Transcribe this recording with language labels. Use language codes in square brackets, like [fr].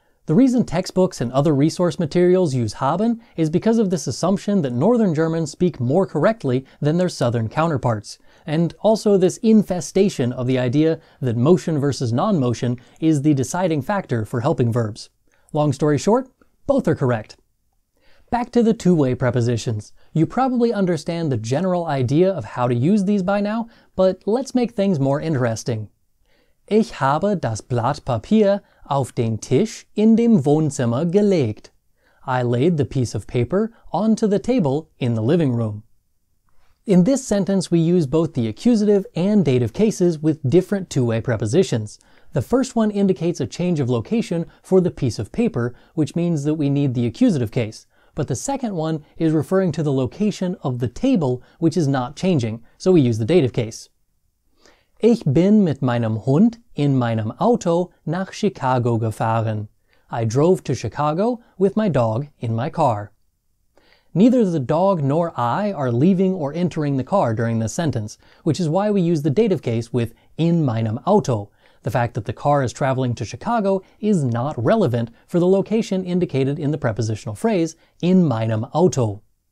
[en] The reason textbooks and other resource materials use haben is because of this assumption that northern Germans speak more correctly than their southern counterparts, and also this infestation of the idea that motion versus non-motion is the deciding factor for helping verbs. Long story short, both are correct. Back to the two-way prepositions. You probably understand the general idea of how to use these by now, but let's make things more interesting. [de] Ich habe das Blatt Papier auf den Tisch in dem Wohnzimmer gelegt. [en] I laid the piece of paper onto the table in the living room. In this sentence, we use both the accusative and dative cases with different two-way prepositions. The first one indicates a change of location for the piece of paper, which means that we need the accusative case. But the second one is referring to the location of the table, which is not changing, so we use the dative case. [de] Ich bin mit meinem Hund in meinem Auto nach Chicago gefahren. [en] I drove to Chicago with my dog in my car. Neither the dog nor I are leaving or entering the car during this sentence, which is why we use the dative case with [de] in meinem Auto. [en] The fact that the car is traveling to Chicago is not relevant for the location indicated in the prepositional phrase, [de] in meinem Auto.